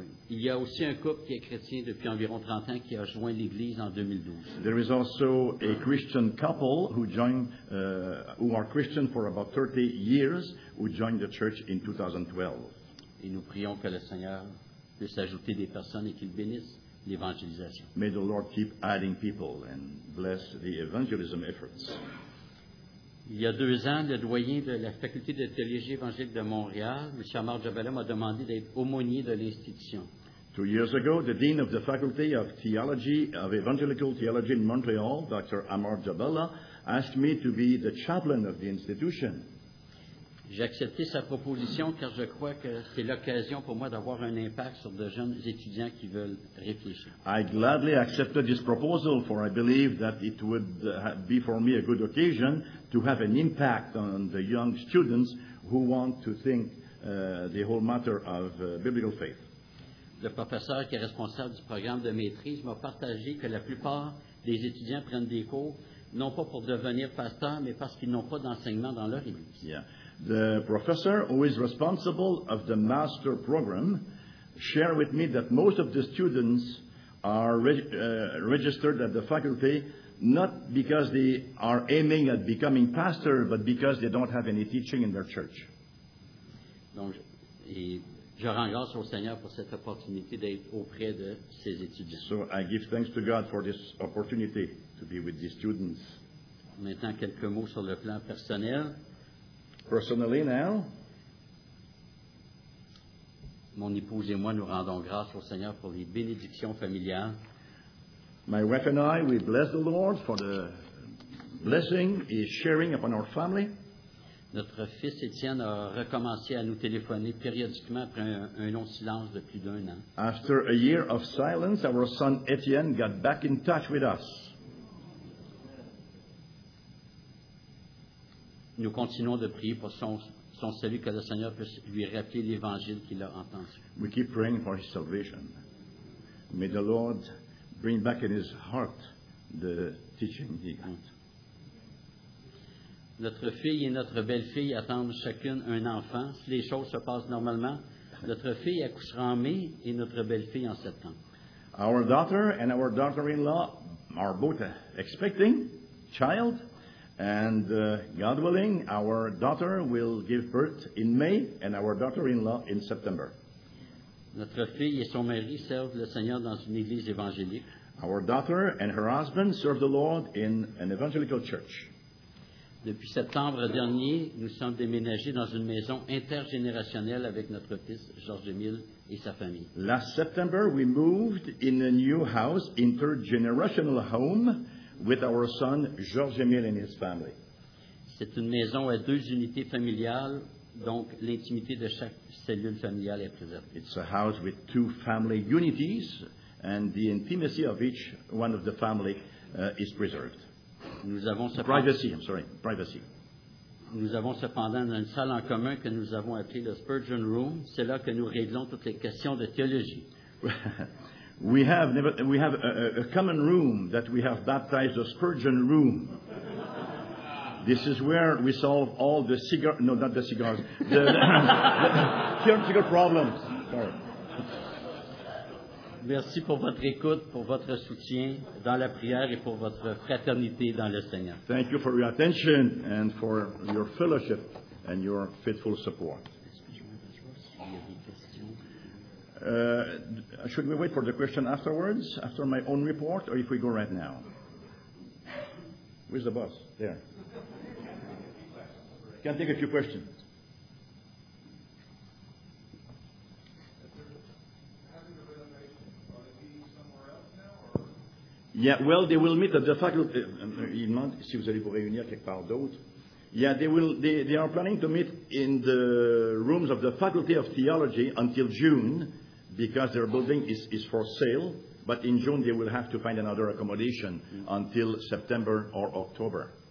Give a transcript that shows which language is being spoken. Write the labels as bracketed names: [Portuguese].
[French] Il y a aussi un couple qui est chrétien depuis environ 30 ans qui a joint l'église en 2012. [English] There is also a Christian couple who are Christian for about 30 years who joined the church in 2012. [French] Et nous prions que le Seigneur puisse ajouter des personnes et qu'il bénisse l'évangélisation. [English] May the Lord keep adding people and bless the evangelism efforts. [French] Il y a deux ans, le doyen de la faculté de théologie évangélique de Montréal, M. Amar Jabala, m'a demandé d'être aumônier de l'institution. [English] 2 years ago, the dean of the faculty of theology, of evangelical theology in Montreal, Dr. Amar Jabala, asked me to be the chaplain of the institution. [French] J'ai accepté sa proposition car je crois que c'est l'occasion pour moi d'avoir un impact sur de jeunes étudiants qui veulent réfléchir. [English] I gladly accepted this proposal for I believe that it would be for me a good occasion to have an impact on the young students who want to think the whole matter of biblical faith. [French] Le professeur qui est responsable du programme de maîtrise m'a partagé que la plupart des étudiants prennent des cours non pas pour devenir pasteur mais parce qu'ils n'ont pas d'enseignement dans leur église. [English] Yeah. The professor who is responsible of the master program shared with me that most of the students are registered at the faculty not because they are aiming at becoming pastor, but because they don't have any teaching in their church. [French] Donc, et je rends grâce au Seigneur pour cette opportunité d'être auprès de ces étudiants. [English] So I give thanks to God for this opportunity to be with these students. [French] Maintenant, quelques mots sur le plan personnel. [English] Personally now, [French] mon épouse et moi nous rendons grâce au Seigneur pour les bénédictions familiales. [English] My wife and I, we bless the Lord for the blessing he's sharing upon our family. [French] Notre fils Étienne a recommencé à nous téléphoner périodiquement après un long silence de plus d'un an. [English] After a year of silence, our son Étienne got back in touch with us. [French] Nous continuons de prier pour son salut, que le Seigneur puisse lui rappeler l'évangile qu'il a entendu. [English] We keep praying for his salvation. May the Lord bring back in his heart the teaching he got. [French] Notre fille et notre belle-fille attendent chacune un enfant. Si les choses se passent normalement, notre fille accouchera en mai et notre belle-fille en septembre. [English] Our daughter and our daughter-in-law are both expecting child. And God willing, our daughter will give birth in May and our daughter-in-law in September. [French] Notre fille et son mari servent le Seigneur dans une église évangélique. [English] Our daughter and her husband serve the Lord in an evangelical church. [French] Depuis septembre dernier, nous sommes déménagés dans une maison intergénérationnelle avec notre fils Georges-Émile et sa famille. [English] Last September, we moved in a new house, intergenerational home, with our son Georges-Émile and his family. [French] C'est une maison à deux unités familiales, donc l'intimité de chaque cellule familiale est préservée. [English] It's a house with two family unities, and the intimacy of each one of the family is preserved. [French] Nous avons [English] privacy. [French] Nous avons cependant une salle en commun que nous avons appelée le Spurgeon Room. C'est là que nous réglons toutes les questions de théologie. [English] We have a common room that we have baptized the Spurgeon Room. This is where we solve all the cigar, no, not the cigars, the cigar problems. Sorry. [French] Merci pour votre écoute, pour votre soutien dans la prière et pour votre fraternité dans le Seigneur. [English] Thank you for your attention and for your fellowship and your faithful support. Should we wait for the question afterwards, after my own report, or if we go right now? Where's the boss? There. Can I take a few questions? Yeah, well, they will meet at the faculty. [French] Il demande si vous allez vous réunir quelque part d'autre. [English] Yeah, they will. They are planning to meet in the rooms of the Faculty of Theology until June, because their building is for sale. But in June, they will have to find another accommodation until September or October.